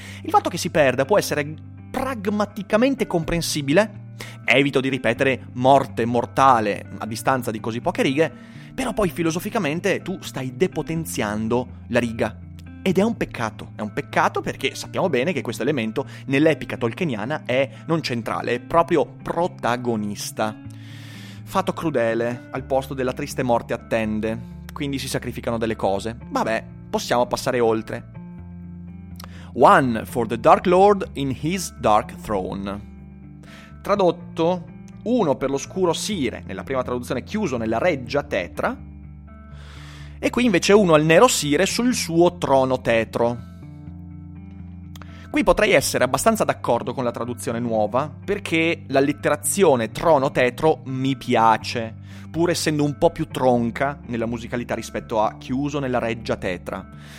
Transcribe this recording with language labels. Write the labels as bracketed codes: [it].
[it] Il fatto che si perda può essere pragmaticamente comprensibile, evito di ripetere morte mortale a distanza di così poche righe, però poi filosoficamente tu stai depotenziando la riga, ed è un peccato perché sappiamo bene che questo elemento nell'epica tolkieniana è non centrale, è proprio protagonista. Fato crudele al posto della triste morte attende, quindi si sacrificano delle cose. Vabbè, possiamo passare oltre. [en] One for the Dark Lord in his dark throne. [it] Tradotto, uno per l'oscuro sire, nella prima traduzione chiuso nella reggia tetra, e qui invece uno al nero sire sul suo trono tetro. Qui potrei essere abbastanza d'accordo con la traduzione nuova, perché l'allitterazione trono tetro mi piace, pur essendo un po' più tronca nella musicalità rispetto a chiuso nella reggia tetra.